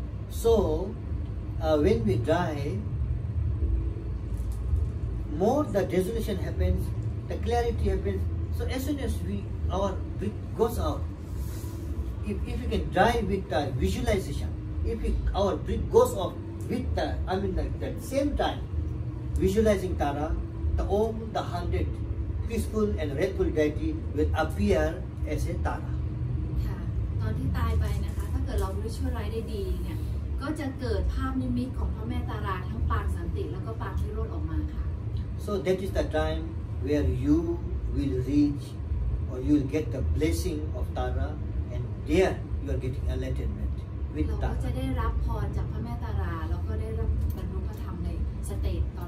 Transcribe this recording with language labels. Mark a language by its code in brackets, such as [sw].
[en] so when we die more the dissolution happens the clarity happens so as soon as our goes out if we can die with the visualization if we, our breath goes off with the I mean like that same timeVisualizing Tara, the Om, the 100, peaceful and restful deity will appear as a Tara. [th] ค่ะ ตอนที่ตายไปนะคะ ถ้าเกิดเราวิชวลไลซ์ได้ดีเนี่ย ก็จะเกิดภาพนิมิตของพระแม่ตาราทั้งปางสันติแล้วก็ปางนิโรธออกมาค่ะ [en] So that is the time where you will reach or you will get the blessing of Tara and there you are getting enlightenment with Tara. [th] เราจะได้รับพรจากพระแม่ตาราแล้วก็ได้รับบรรลุพระธรรมในสเตจ